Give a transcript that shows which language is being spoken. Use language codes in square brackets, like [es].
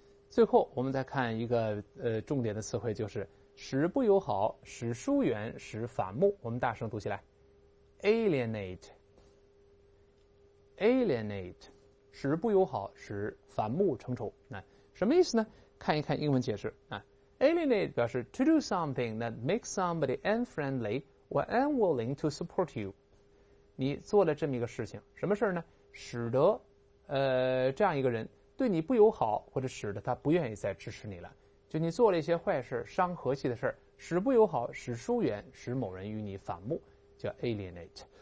[zh] 最后我们再看一个重点的词汇，就是使不友好、使疏远、使反目，我们大声读起来 alienate， 使不友好、使反目成仇，什么意思呢？看一看英文解释啊。 [en] Alienate [zh] 表示 [en] to do something that makes somebody unfriendly or unwilling to support you。 [zh] 你做了这么一个事情，什么事呢？使得这样一个人对你不友好，或者使得他不愿意再支持你了，就你做了一些坏事、伤和气的事，使不友好、使疏远、使某人与你反目，叫 alienate。